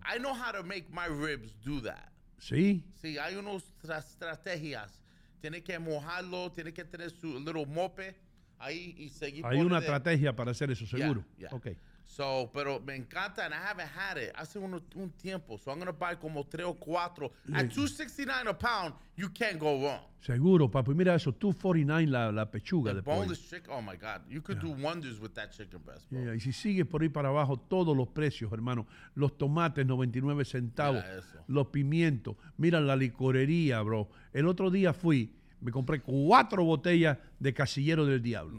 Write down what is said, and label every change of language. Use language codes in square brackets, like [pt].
[en] I know how to make my ribs do that. [es] ¿Sí? Sí, hay unas estrategias. Tiene que mojarlo, tiene que tener su [en] little mope [es] ahí y seguir. Hay una estrategia para hacer eso, seguro. [en] Yeah, yeah. Okay. So, [es] pero me encanta, [en] and I haven't had it. [es] Hace un tiempo, [en] so I'm going to buy como 3 or 4. Yeah. At $2.69 a pound, you can't go wrong. [es] Seguro, papi, mira eso, $2.49 la pechuga. [en] The boneless chicken, oh my God. You could do wonders with that chicken breast, bro. [es] Yeah, y si sigue por ahí para abajo, todos los precios, hermano. Los tomates, 99 centavos. Los pimientos. Mira la licorería, bro. El otro día fui, me compré 4 botellas de Casillero del Diablo.